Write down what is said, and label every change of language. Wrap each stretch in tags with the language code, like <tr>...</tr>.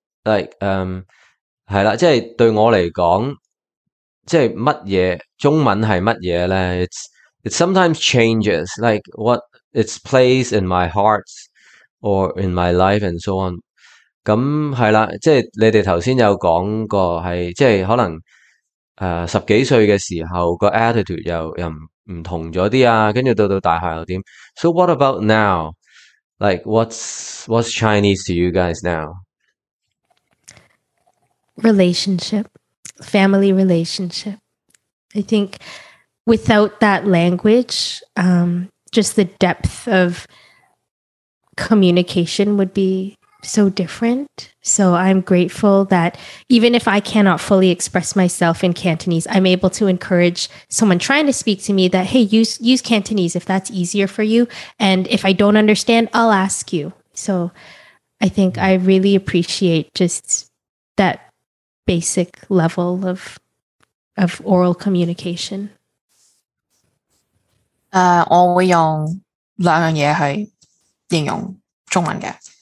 <yue>Like, 是啦, 即是对我来讲, 即是什么, 中文是什么呢?</yue> <en>It sometimes changes, like what its place in my heart or in my life and so on.</en> <yue>咁是啦, 即是你们刚才有讲过, 即是可能, 十几岁的时候, 个 attitude 又 不同了一些啊, 接着到大学又怎样?</yue> <en>So what about now? Like, what's Chinese to you guys now? Relationship. Family relationship. I think without that language, just the depth of communication would be so different. So I'm grateful that even if I cannot fully express myself in Cantonese, I'm able to encourage someone trying to speak to me that, hey, use Cantonese if that's easier for you. And if I don't understand, I'll ask you. So I think I really appreciate just that basic level of oral communication.</en> <yue>我会用两样嘢去形容中文嘅。</yue>